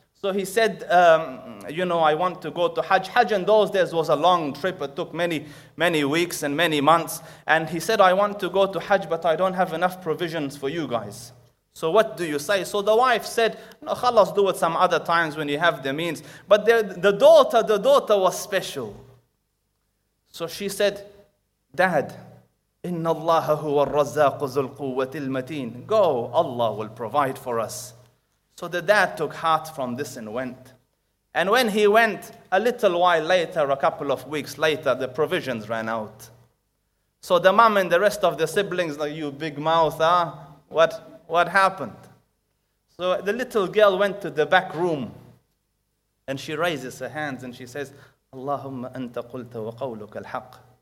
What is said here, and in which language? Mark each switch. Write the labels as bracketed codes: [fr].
[en] So he said, I want to go to Hajj. Hajj in those days was a long trip. It took many, many weeks and many months. And he said, I want to go to Hajj, but I don't have enough provisions for you guys. So what do you say? So the wife said, no, khalas, do it some other times when you have the means. But the daughter was special. So she said, Dad, [ar] إِنَّ اللَّهَ هُوَ الرَّزَّاقُ ذُو الْقُوَّةِ الْمَتِينَ. [en] Go, Allah will provide for us. So the dad took heart from this and went. And when he went, a little while later, a couple of weeks later, the provisions ran out. So the mom and the rest of the siblings, like, you big mouth, huh? What happened? So the little girl went to the back room and she raises her hands and she says, [ar] Allahumma anta qulta wa qawluka al-haq.